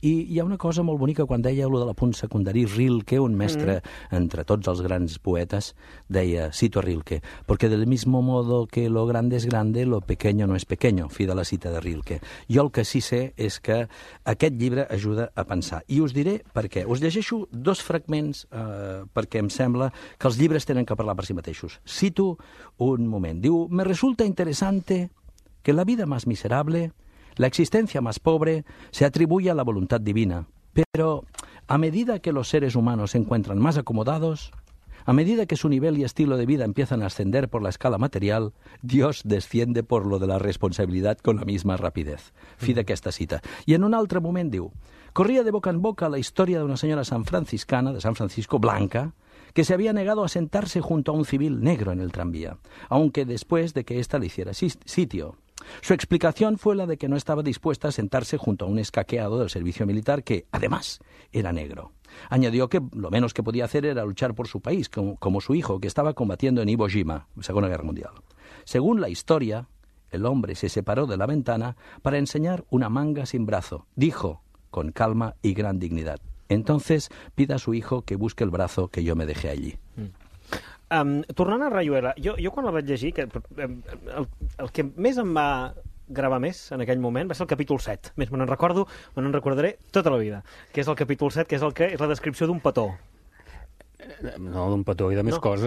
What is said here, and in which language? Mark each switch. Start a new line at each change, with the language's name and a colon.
Catalan: I hi ha una cosa molt bonica quan deia allò de l'apunt secundari, Rilke, un mestre entre tots els grans poetes, deia, cito a Rilke,
Spanish: porque del mismo modo que lo grande es grande, lo pequeño no es pequeño,
Catalan: fi de la cita de Rilke. Jo el que sí sé és que aquest llibre ajuda a pensar. I us diré per què. Us llegeixo dos fragments perquè em sembla que els llibres tenen que parlar per si mateixos. Cito un moment.
Spanish: Diu, me resulta interesante que la vida más miserable, la existencia más pobre se atribuye a la voluntad divina, pero a medida que los seres humanos se encuentran más acomodados, a medida que su nivel y estilo de vida empiezan a ascender por la escala material, Dios desciende por lo de la responsabilidad con la misma rapidez.
Catalan: Fi d'aquesta cita. I en un altre moment diu,
Spanish: corría de boca en boca la historia de una señora sanfranciscana de San Francisco, blanca, que se había negado a sentarse junto a un civil negro en el tranvía, aunque después de que ésta le hiciera sitio. Su explicación fue la de que no estaba dispuesta a sentarse junto a un escaqueado del servicio militar que, además, era negro. Añadió que lo menos que podía hacer era luchar por su país, como su hijo, que estaba combatiendo en Iwo Jima, Segunda Guerra Mundial. Según la historia, el hombre se separó de la ventana para enseñar una manga sin brazo. Dijo, con calma y gran dignidad, entonces pida a su hijo que busque el brazo que yo me dejé allí.
Catalan: Tornant a Rayuela, jo quan la vaig llegir, que el que més em va gravar més en aquell moment va ser el capítol 7, més me'n recordaré tota la vida, que és el capítol 7, que és el que és la descripció d'un petó. No, d'un petó i de més coses.